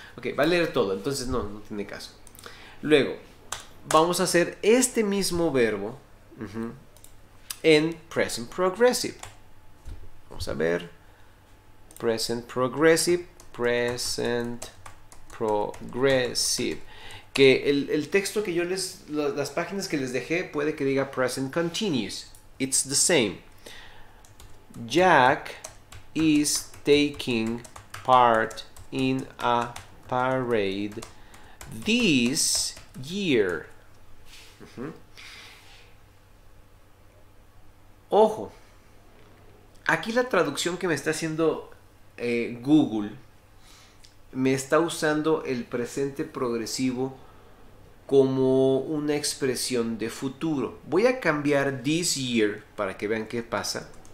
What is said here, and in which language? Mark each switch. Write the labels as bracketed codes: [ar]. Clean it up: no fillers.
[es] Ok, va a leer todo, entonces no tiene caso. Luego, vamos a hacer este mismo verbo en present progressive. Vamos a ver. Present progressive. Present progressive. Que el texto que yo les... Las páginas que les dejé puede que diga present continuous. [en] It's the same. Jack is taking part in a parade this year. [es] Ojo, aquí la traducción que me está haciendo Google me está usando el presente progresivo como una expresión de futuro. Voy a cambiar [en] this year [es] para que vean qué pasa.